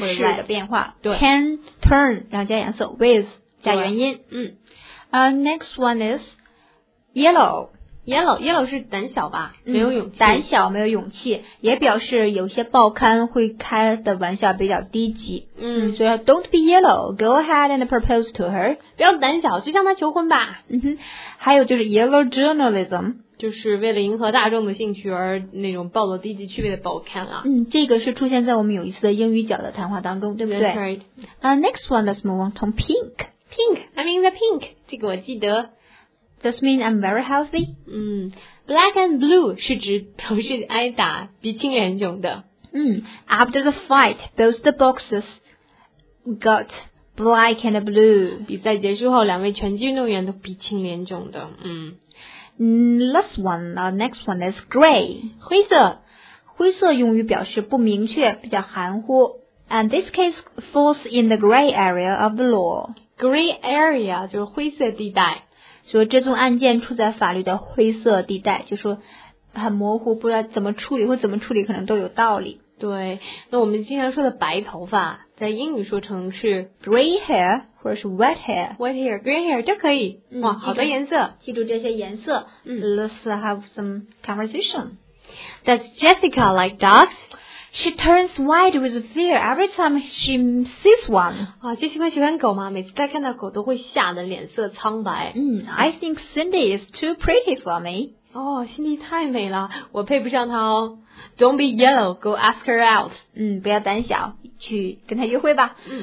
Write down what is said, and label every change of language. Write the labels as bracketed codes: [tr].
[zh] 气势的变化，对， [en] can turn [zh] 然后加颜色 ， [en] with [zh] 加原因，嗯， [en] next one is yellow。 [zh] Yellow 是胆小吧，没有勇气，胆小没有勇气，也表示有些报刊会开的玩笑比较低级。嗯，所以 [en] Don't be yellow, go ahead and propose to her. [zh] 不要胆小，就向她求婚吧。嗯哼，还有就是 yellow journalism，就是为了迎合大众的兴趣而那种暴露低级趣味的报刊啊。嗯，这个是出现在我们有一次的英语角的谈话当中，对不对 [en] ？Right. Next one, let's move on to pink. Pink, I'm in the pink. [zh] 这个我记得。 [en] Does mean I'm very healthy? [zh] Black and blue 是指头是挨打鼻青脸肿的。 [en] After the fight, both the boxers got black and blue. [zh] 比赛结束后，两位拳击运动员都鼻青脸肿的。 [en] Next one is gray. [zh] 灰色。灰色用于表示不明确，比较含糊。 [en] And this case falls in the gray area of the law. [zh] Gray area 就是灰色地带。说这宗案件处在法律的灰色地带，就说很模糊，不知道怎么处理或怎么处理可能都有道理。对，那我们经常说的白头发在英语说成是 [en] gray hair [zh] 或者是 [en] wet hair。 wet hair, gray hair [zh] 这可以、哇，好多颜色，记住这些颜色。 [en] Let's have some conversation. Does Jessica like dogs? She turns white with fear every time she sees one. [zh] 啊，杰西卡喜欢狗吗？每次她看到狗都会吓得脸色苍白。 [en] I think Cindy is too pretty for me. [zh] 哦，辛迪太美了，我配不上她哦。 [en] Don't be yellow, go ask her out. [zh] 不要胆小，去跟她约会吧。